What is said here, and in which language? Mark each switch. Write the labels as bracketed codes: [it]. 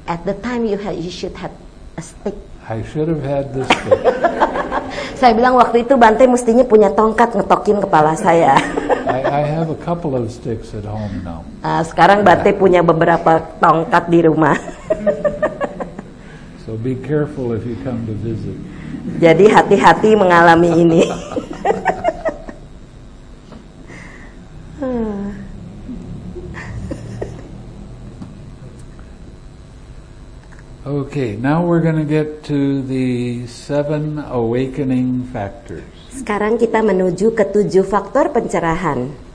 [en] At the time you should have a stick. I should have had the stick. [id] Saya bilang waktu itu Bante mestinya punya tongkat ngetokin kepala saya. [en] I have a couple of sticks at home now. [id] Sekarang Bante punya beberapa tongkat di rumah. [en] So be careful if you come to visit. [id] Jadi hati-hati mengalami ini. [en] Okay, now we're going to get to the 7 awakening factors. [id] Sekarang kita menuju ke 7 faktor pencerahan.